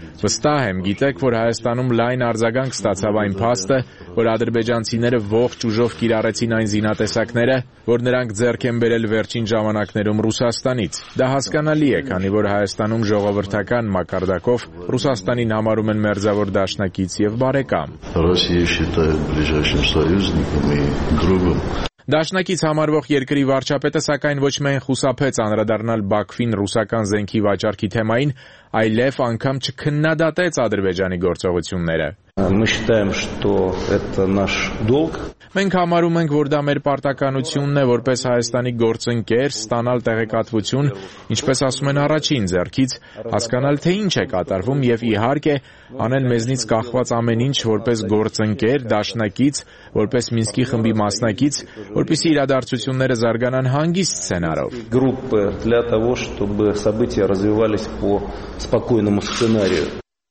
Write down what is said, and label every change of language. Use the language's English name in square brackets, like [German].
[Armenian] Վստահ եմ, գիտեք, որ Հայաստանում լայն արձագանք ստացավ այն փաստը, որ ադրբեջանցիները ողջ ուժով կիրառեցին այն զինատեսակները, որ նրանք ձեռք են բերել վերջին ժամանակներում Ռուսաստանից։ Դա հասկանալի է, քանի որ Հայաստանում ժողովրդական մակարդակով Ռուսաստանին համարում են մերձավոր դաշնակից և բարեկամ։ Դաշնակից համարվող երկրի վարչապետը, սակայն, ոչ միայն խուսափեց անդրադառնալ Բաքվին ռուսական զենքի վաճառքի թեմային, այլև անգամ չքննադատեց Ադրբեջանի գործողությունները. [Russian] Мы считаем, что это наш долг. [Armenian] Մենք համարում ենք, որ դա մեր պարտականությունն է որպես Հայաստանի գործընկեր ստանալ տեղեկատվություն, ինչպես ասում են առաջին ձեռքից, հասկանալ, թե ինչ է կատարվում և, իհարկե, անել մեզնից կախված ամեն ինչ որպես գործընկեր, դաշնակից, որպես Մինսկի խմբի մասնակից, որպեսզի իրադարձությունները զարգանան հանգիստ սցենարով. [Russian] Группа для того, чтобы события развивались по спокойному сценарию.